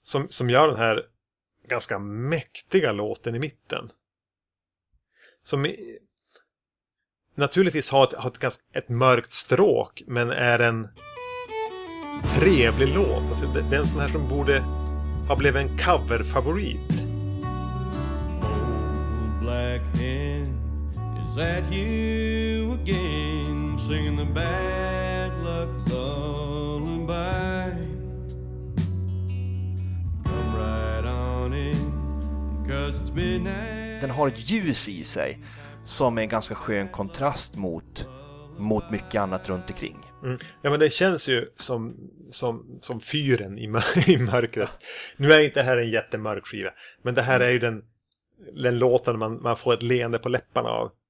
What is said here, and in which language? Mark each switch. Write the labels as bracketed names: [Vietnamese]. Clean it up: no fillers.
[Swedish] Som gör den här ganska mäktiga låten i mitten. Som naturligtvis har ett mörkt stråk, men är en trevlig låt. Alltså, det är en sån här som borde ha blivit en coverfavorit. [English] Black hen, is that you again, singing the bad luck lullaby? Come right on in, 'cause it's midnight. [Swedish] Den har ett ljus i sig som är en ganska skön kontrast mot mycket annat runt omkring. Mm. Ja, men det känns ju som fyren i mörkret. Nu är inte det här en jättemörk skiva, men det här är ju den låten man får ett leende på läpparna av.